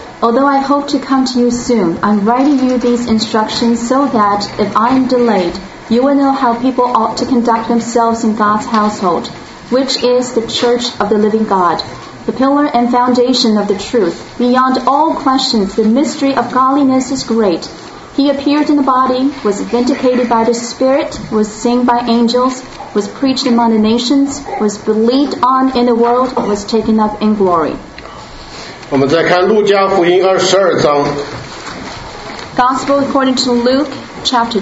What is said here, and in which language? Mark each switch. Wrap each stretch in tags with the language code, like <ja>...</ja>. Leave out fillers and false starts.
<en>Although I hope to come to you soon, I'm writing you these instructions so that if I'm delayed, you will know how people ought to conduct themselves in God's household, which is the church of the living God, the pillar and foundation of the truth. Beyond all questions, the mystery of godliness is great. He appeared in the body, was vindicated by the Spirit, was seen by angels, was preached among the nations, was believed on in the world, was taken up in glory.</en> <zh>我们再看路加福音二十二章。</zh> <en>Gospel according to Luke, chapter</en>